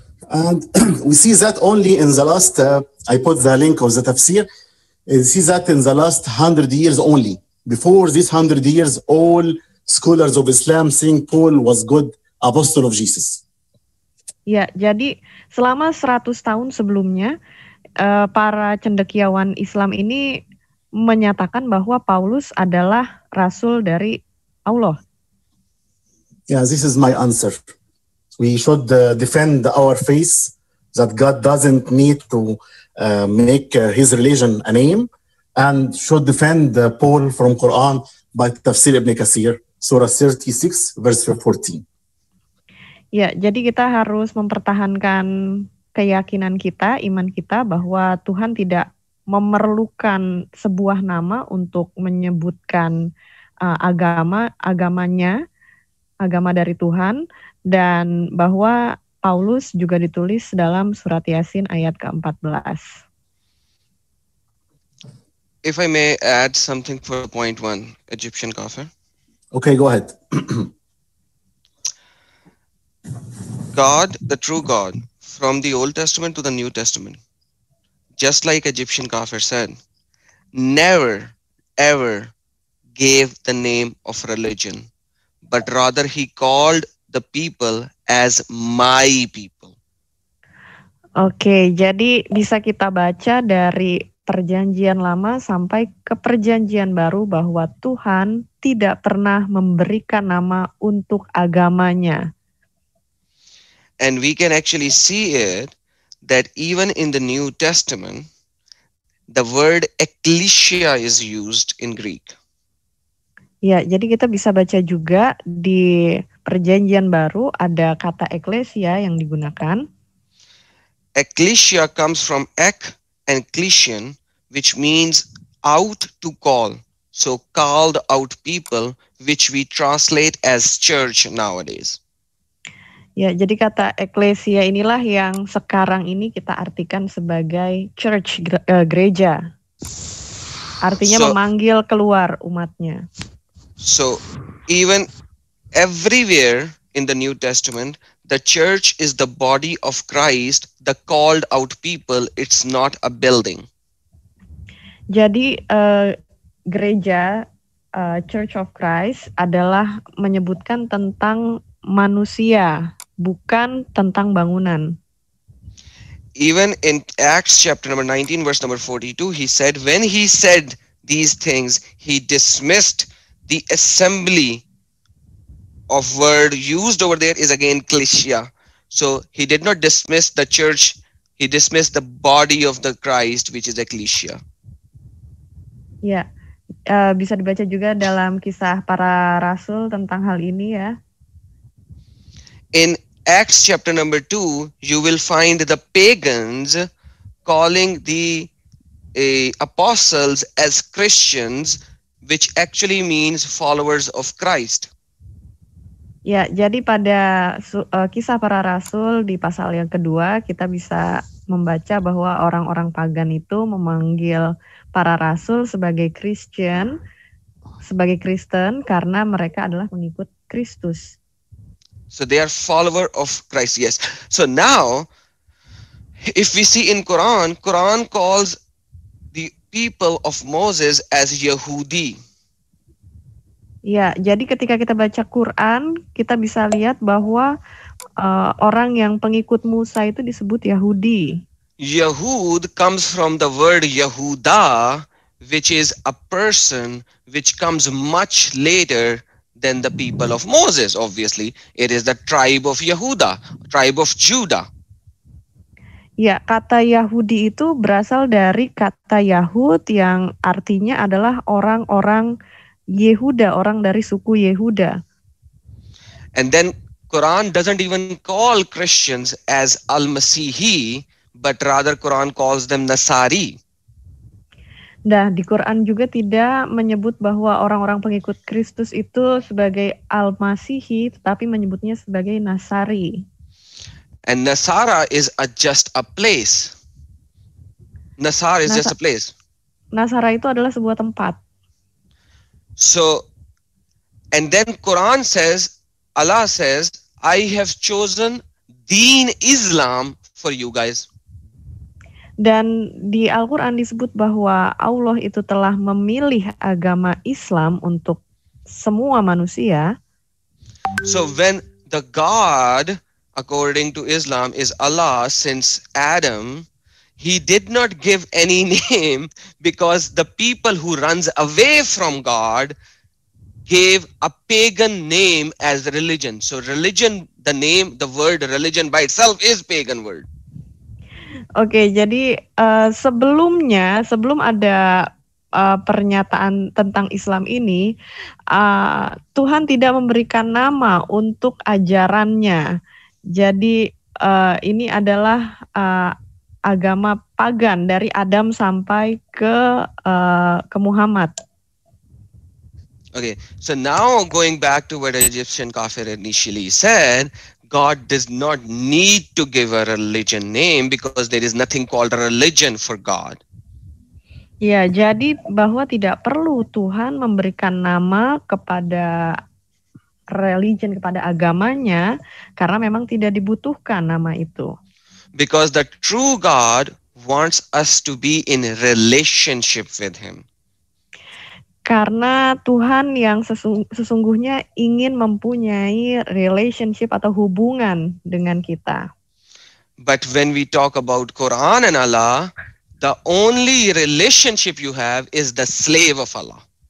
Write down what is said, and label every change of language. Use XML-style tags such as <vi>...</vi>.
<en>And we see that only in the last I put the link of the tafsir. You see that in the last 100 years only. Before this 100 years, all scholars of Islam think Paul was good apostle of Jesus.</en> <id>Ya, jadi selama 100 tahun sebelumnya para cendekiawan Islam ini menyatakan bahwa Paulus adalah rasul dari Allah.</id> <en>Yeah, this is my answer. We should defend our faith that God doesn't need to make his religion a name, and should defend Paul from Quran by Tafsir Ibn Kathir, Surah 36, verse 14.</en> <id>Ya, jadi kita harus mempertahankan keyakinan kita, iman kita, bahwa Tuhan tidak memerlukan sebuah nama untuk menyebutkan agamanya, agama dari Tuhan, dan bahwa Paulus juga ditulis dalam Surat Yasin ayat ke-14.</id> <en>If I may add something for point one, Egyptian kafir. Okay, go ahead. God, the true God, from the Old Testament to the New Testament, just like Egyptian kafir said, never, ever gave the name of religion, but rather he called the people as my people.</en> <id>Okay, jadi bisa kita baca dari Perjanjian Lama sampai ke Perjanjian Baru bahwa Tuhan tidak pernah memberikan nama untuk agamanya.</id> <en>And we can actually see it that even in the New Testament, the word ecclesia is used in Greek.</en> <id>Ya, jadi kita bisa baca juga di Perjanjian Baru ada kata ecclesia yang digunakan.</id> <en>Ecclesia comes from ek and klesion, which means out to call, so called out people, which we translate as church nowadays.</en> <id>Ya, jadi kata ekklesia inilah yang sekarang ini kita artikan sebagai church, gereja. Artinya so, memanggil keluar umatnya.</id> <en>So, even everywhere in the New Testament, the church is the body of Christ, the called out people, it's not a building.</en> <id>Jadi gereja, Church of Christ adalah menyebutkan tentang manusia, bukan tentang bangunan.</id> <en>Even in Acts chapter number 19, verse number 42, he said, when he said these things, he dismissed the assembly of word used over there is again ecclesia. So he did not dismiss the church, he dismissed the body of the Christ, which is ecclesia.</en> <id>Ya, bisa dibaca juga dalam Kisah Para Rasul tentang hal ini ya.</id> <en>In Acts chapter number 2, you will find the pagans calling the apostles as Christians, which actually means followers of Christ.</en> <id>Ya, jadi pada Kisah Para Rasul di pasal yang kedua, kita bisa membaca bahwa orang-orang pagan itu memanggil para rasul sebagai Christian, sebagai Kristen, karena mereka adalah pengikut Kristus.</id> <en>So they are follower of Christ, yes. So now, if we see in Quran, Quran calls the people of Moses as Yahudi.</en> <id>Ya, jadi ketika kita baca Quran, kita bisa lihat bahwa orang yang pengikut Musa itu disebut Yahudi.</id> <en>Yahud comes from the word Yehuda, which is a person which comes much later than the people of Moses, obviously. It is the tribe of Yehuda, tribe of Judah.</en> <id>Ya, kata Yahudi itu berasal dari kata Yahud yang artinya adalah orang-orang Yehuda, orang dari suku Yehuda.</id> <en>And then Quran doesn't even call Christians as Al-Masihi, but rather Quran calls them Nasari.</en> <id>Nah, di Quran juga tidak menyebut bahwa orang-orang pengikut Kristus itu sebagai Al-Masihi, tetapi menyebutnya sebagai Nasari.</id> <en>And Nasara is a, just a place. Nasara is just a place.</en> <id>Nasara itu adalah sebuah tempat.</id> <en>So, and then Quran says, Allah says, I have chosen Deen Islam for you guys.</en> <id>Dan di Al-Quran disebut bahwa Allah itu telah memilih agama Islam untuk semua manusia.</id> <en>So when the God, according to Islam, is Allah since Adam, he did not give any name because the people who runs away from God gave a pagan name as religion. So religion, the name, the word religion by itself is pagan word.</en> <id>Okay, jadi sebelumnya, sebelum ada pernyataan tentang Islam ini, Tuhan tidak memberikan nama untuk ajarannya. Jadi ini adalah agama pagan dari Adam sampai ke Muhammad.</id> <en>Okay, so now going back to what Egyptian kafir initially said, God does not need to give a religion name because there is nothing called a religion for God.</en> <id>Ya, jadi bahwa tidak perlu Tuhan memberikan nama kepada religion, kepada agamanya, karena memang tidak dibutuhkan nama itu.</id> <en>Because the true God wants us to be in relationship with Him.</en> <id>Karena Tuhan yang sesungguhnya ingin mempunyai relationship atau hubungan dengan kita.</id> <en>But when we talk about Quran and Allah, the only relationship you have is the slave of Allah.</en>